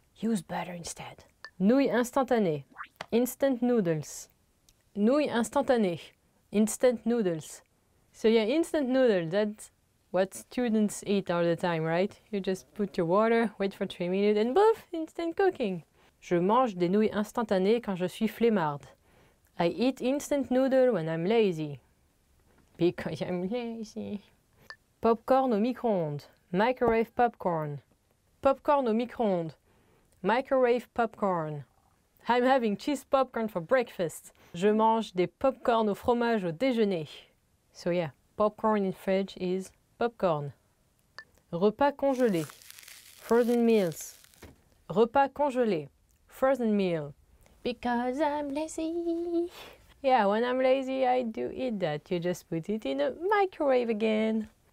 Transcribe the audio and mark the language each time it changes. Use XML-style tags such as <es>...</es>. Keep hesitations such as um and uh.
<en>Use butter instead.</en> <fr>Nouilles instantanées.</fr> <en>Instant noodles.</en> <fr>Nouilles instantanées.</fr> <en>Instant noodles. So yeah, instant noodles, that's what students eat all the time, right? You just put your water, wait for three minutes, and boof, instant cooking.</en> <fr>Je mange des nouilles instantanées quand je suis flemmarde.</fr> <en>I eat instant noodle when I'm lazy. Because I'm lazy.</en> <fr>Popcorn au micro-ondes.</fr> <en>Microwave popcorn.</en> <fr>Popcorn au micro-ondes.</fr> <en>Microwave popcorn. I'm having cheese popcorn for breakfast.</en> <fr>Je mange des popcorn au fromage au déjeuner.</fr> <en>So yeah, popcorn in the fridge is popcorn.</en> <fr>Repas congelé.</fr> <en>Frozen meals.</en> <fr>Repas congelé.</fr> <en>frozen meal because I'm lazy. yeah, when I'm lazy, I do eat that. You just put it in a microwave again.</en>